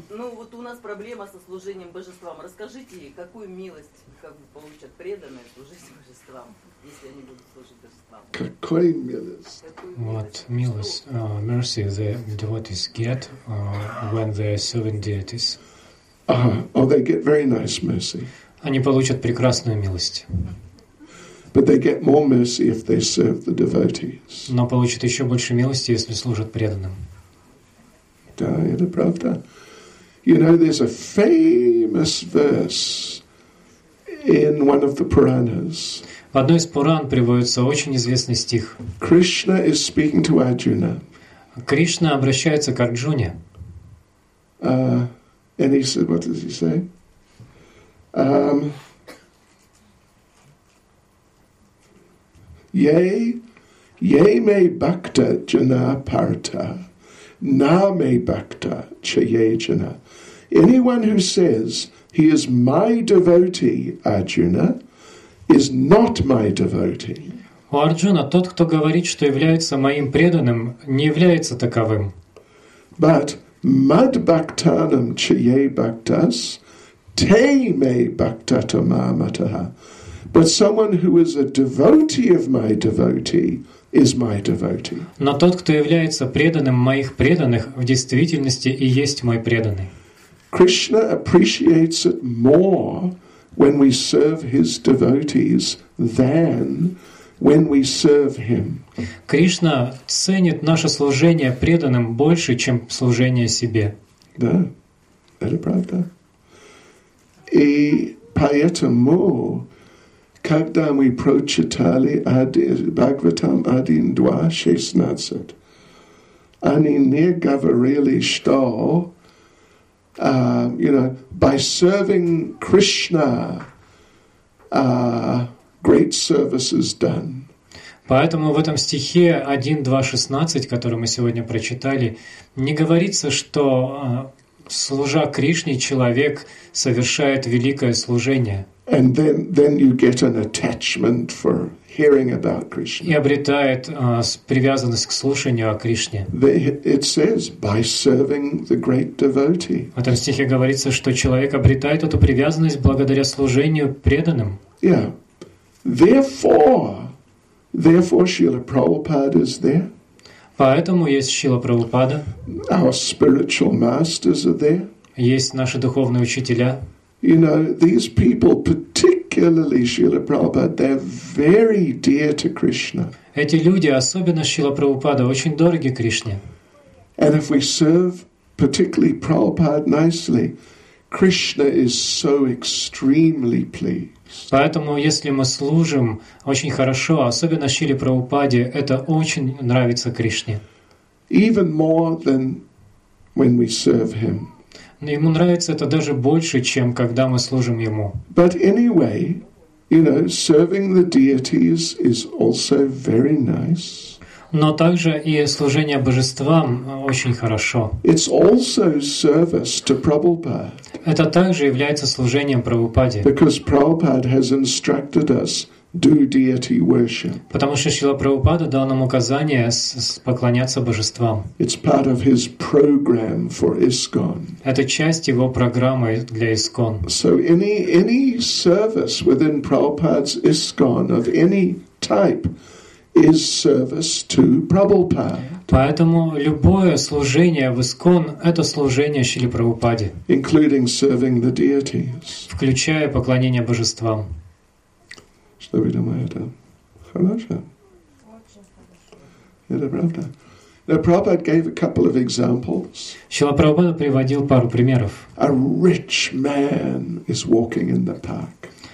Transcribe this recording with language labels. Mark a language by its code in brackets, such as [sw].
[ru] Ну вот у нас проблема со служением божествам. Расскажите, какую милость как бы получат преданные служить божествам, если они будут служить божествам? Какой милость? [en] What [ru] милость, [en] mercy the devotees get when they are serving deities? They get very nice mercy. [ru] Они получат прекрасную милость. [en] But they get more mercy if they serve the devotees. [ru] Но получат еще больше милости, если служат преданным. Да, это правда. [en] You know, there's a famous verse in one of the Puranas. [ru] В одной из Пуран приводится очень известный стих. [en] Krishna is speaking to Arjuna. [ru] Кришна обращается к Арджуне. [en] And he said, what does he say? [sa] Yay me bhakta jana parta. Na me bhakta chaye jana. [en] Anyone who says he is my devotee, Arjuna, is not my devotee. [ru] У Арджуна тот, кто говорит, что является моим преданным, не является таковым. [sa] But mad bhaktanam chaye bhaktas te me bhaktata mamataha. [en] But someone who is a devotee of my devotee is my devotee. [ru] Но тот, кто является преданным моих преданных, в действительности и есть мой преданный. [en] Krishna appreciates it more when we serve his devotees than when we serve him. [ru] Кришна ценит наше служение преданным больше, чем служение себе. Да, это правда. И поэтому, когда мы прочитали Бхагаватам 1.2.16, они не говорили, что, [en] you know, by serving Krishna, great service is done. [ru] Поэтому в этом стихе 1.2.16, который мы сегодня прочитали, не говорится, что Служа Кришне, человек совершает великое служение. [en] And then you get an attachment for hearing about Krishna. [ru] И обретает привязанность к слушанию о Кришне. [en] It says by serving the great devotee. [ru] В этом стихе говорится, что человек обретает эту привязанность благодаря служению преданным. [en] Yeah. Therefore Srila Prabhupada is there. [ru] Поэтому есть Шрила Прабхупада. [en] Our spiritual masters are there. [ru] Есть наши духовные учителя. [en] You know, these people, particularly Srila Prabhupada, they're very dear to Krishna. [ru] Эти люди, особенно Шрила Прабхупада, очень дороги Кришне. [en] And if we serve particularly Prabhupada nicely, Krishna is so extremely pleased. [ru] Поэтому, если мы служим очень хорошо, особенно Шриле Прабхупаде, это очень нравится Кришне. [en] Even more than when we serve him. [ru] Ему нравится это даже больше, чем когда мы служим ему. [en] But anyway, you know, serving the deities is also very nice. [ru] Но также и служение божествам очень хорошо. [en] It's also service to Prabhupada. [ru] Это также является служением Прабхупаде. [en] Because Prabhupada has instructed us do deity worship. [ru] Потому что Шрила Прабхупада дал нам указание поклоняться божествам. [en] It's part of his program for ISKCON. [ru] Это часть его программы для ISKCON. [en] So any service within Prabhupada's ISKCON of any type is service to Prabhupada. [ru] Поэтому любое служение в ИСКОН — это служение Шриле Прабхупаде. [en] Including serving the deities. [ru] Включая поклонение божествам. Что вы думаете? Хорошо? Это правда. [en] Now, Prabhupada gave a couple of examples. [ru] Шрила Прабхупада приводил пару примеров. [en] A rich man is walking in the park.